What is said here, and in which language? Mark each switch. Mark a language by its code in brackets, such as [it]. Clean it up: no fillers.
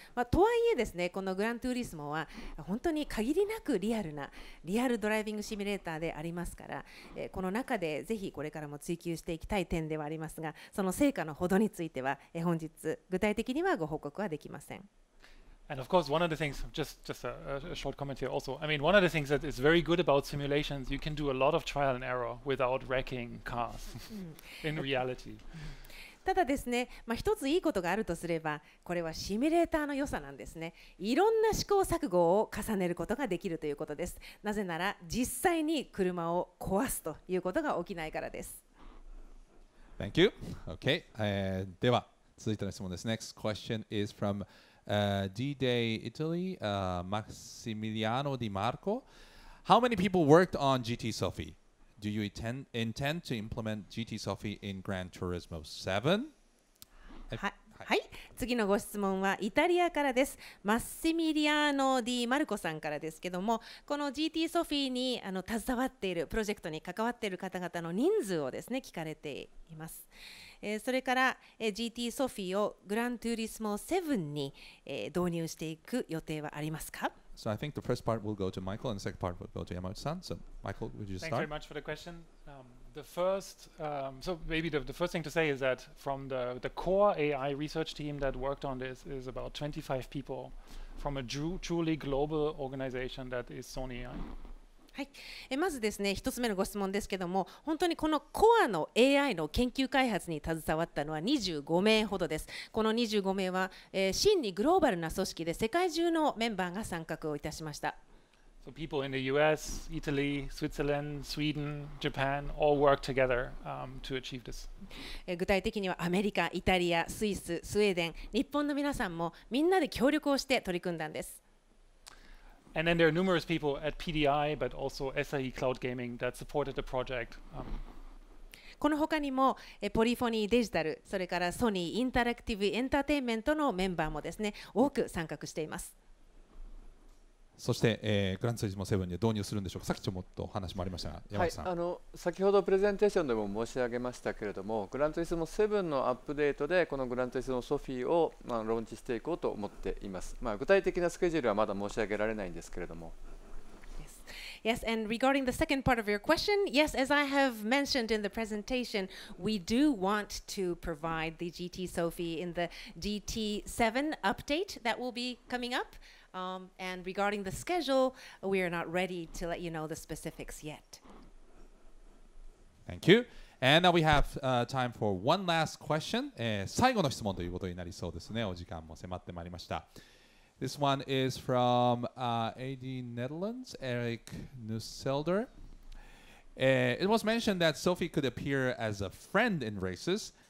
[ja] まあ、とはいえですね、このグランツーリスモは本当に限りなくリアルなリアルドライビングシミュレーターでありますから、この中でぜひこれからも追求していきたい点ではありますが、その成果のほどについては本日具体的にはご報告はできません。 [en] And of course, one of the things, just a short comment here also, I mean, one of the things that is very good about simulations, you can do a lot of trial and error without wrecking cars in reality. [ja] ただですね、まあ、一ついいことがあるとすれば、これはシミュレーターの良さなんですね。いろんな試行錯誤を重ねることができるということです。なぜなら、実際に車を壊すということが起きないからです。 [en] Thank you. Okay. [ja] では、続いての質問です。 [en] Next question is from... D-Day Italy, Maximiliano Di Marco. How many people worked on GT Sophy? Do you intend to implement GT Sophy in Gran Turismo 7? [ja] はい、次のご質問はイタリアからです。マッシミリアーノ・ディ・マルコさんからですけども、この GT ソフィーに携わっているプロジェクトに関わっている方々の人数をですね聞かれています。それから、GT ソフィーをグラントゥーリスモ7に、導入していく予定はありますか。 [en] So I think the first part will go to Michael and the second part will go to Yamauchi-san. So Michael, would you start? Thanks very much for the question. The first thing to say is that from the core AI research team that worked on this is about 25 people from a truly global organization that is Sony AI. [ja] はい、まずですね、一つ目のご質問ですけども、本当にこのコアの AI の研究開発に携わったのは25名ほどです。この25名は、真にグローバルな組織で世界中のメンバーが参画をいたしました。 [en] So people in the US, Italy, Switzerland, Sweden, Japan all work together, to achieve this. [ja] 具体的にはアメリカ、イタリア、スイス、スウェーデン、日本の皆さんもみんなで協力をして取り組んだんです。 [en] And then there are numerous people at PDI, but also SIE Cloud Gaming that supported the project. [ja] この他にも、Polyphony Digital、それから Sony Interactive Entertainment のメンバーもですね、多く参画しています。そして、Gran Turismo 7に導入するんでしょうか。さっきちょっとお話もありましたが、山内さん。はい、先ほどプレゼンテーションでも申し上げましたけれども、Gran Turismo 7のアップデートでこの Gran Turismo Sophy を、ローンチしていこうと思っています。まあ、具体的なスケジュールはまだ申し上げられないんですけれども。 [en] Yes, and regarding the second part of your question, yes, as I have mentioned in the presentation, we do want to provide the GT Sophy in the GT7 update that will be coming up. And regarding the schedule, we are not ready to let you know the specifics yet. Thank you. And now we have, time for one last question. [ja] 最後の質問ということになりそうですね。お時間も迫ってまいりました。 [en] This one is from AD Netherlands, Eric Nusselder. It was mentioned that Sophy could appear as a friend in races.